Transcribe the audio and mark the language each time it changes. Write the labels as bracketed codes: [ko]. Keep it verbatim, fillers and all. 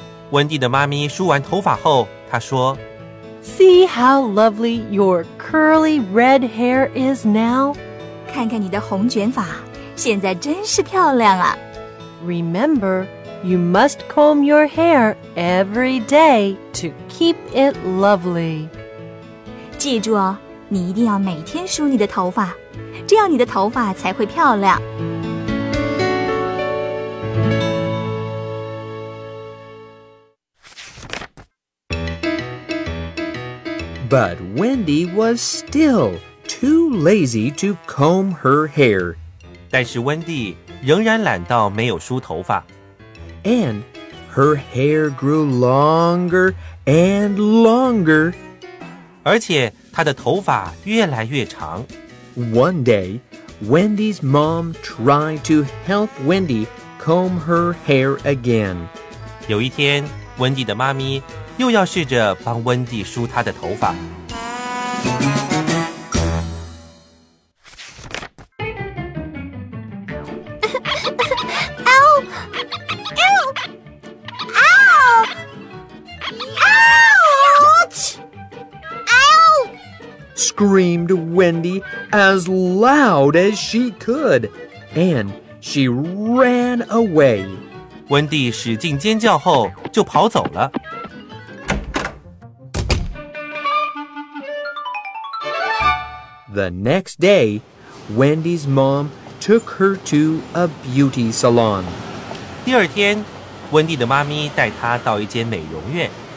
[zh] 温蒂的妈咪梳完头发后，她说 [en] See how lovely your curly red hair is now. [zh] 看看你的红卷发，现在真是漂亮啊。 [en] Remember, you must comb your hair every day to keep it lovely. [zh] 记住哦，你一定要每天梳你的头发，这样你的头发才会漂亮。 [en] But Wendy was still too lazy to comb her hair. [zh] 但是温蒂仍然懒到没有梳头发。 [en] And her hair grew longer and longer. [zh] 而且她的头发越来越长。 [en] One day, Wendy's mom tried to help Wendy comb her hair again. [zh] 有一天，温蒂的妈咪又要试着帮温蒂梳她的头发。 [en] Ow! Ow! Ow! Ouch! Ow! Screamed Wendy as loud as she could, and she ran away. [zh] 温蒂使劲尖叫后就跑走了。 [en] The next day, Wendy's mom took her to a beauty salon. [zh] 第二天，温蒂的妈咪带她到一间美容院。